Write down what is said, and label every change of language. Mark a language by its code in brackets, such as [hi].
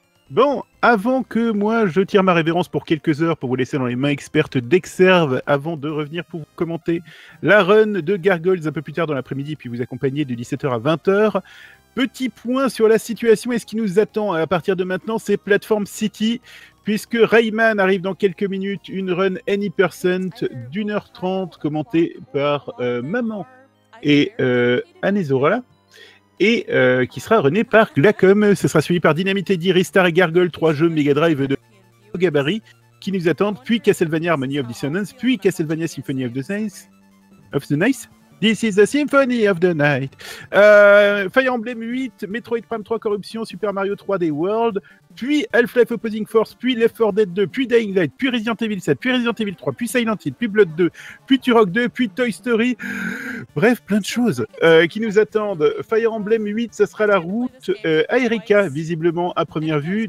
[fr] Bon, avant que moi, je tire ma révérence pour quelques heures pour vous laisser dans les mains expertes d'Exerve, avant de revenir pour vous commenter la run de Gargoyles un peu plus tard dans l'après-midi, puis vous accompagner de 17h à 20h, petit point sur la situation et ce qui nous attend à partir de maintenant, c'est Platform City, puisque Rayman arrive dans quelques minutes, une run Any% d'1h30, commentée par Maman et Anezora, et qui sera runnée par Glacom. Ce sera suivi par Dynamite Eddy, Ristar et Gargoyle, trois jeux Mega Drive de haut gabarit qui nous attendent, puis Castlevania Harmony of Dissonance, puis Castlevania Symphony of the Nice. [en] This is the Symphony of the Night. [fr] Fire Emblem 8, Metroid Prime 3 Corruption, Super Mario 3D World, puis Half-Life Opposing Force, puis Left 4 Dead 2, puis Dying Light, puis Resident Evil 7, puis Resident Evil 3, puis Silent Hill, puis Blood 2, puis Turok 2, puis Toy Story. Bref, plein de choses qui nous attendent. Fire Emblem 8, ça sera la route à Erika, visiblement à première vue.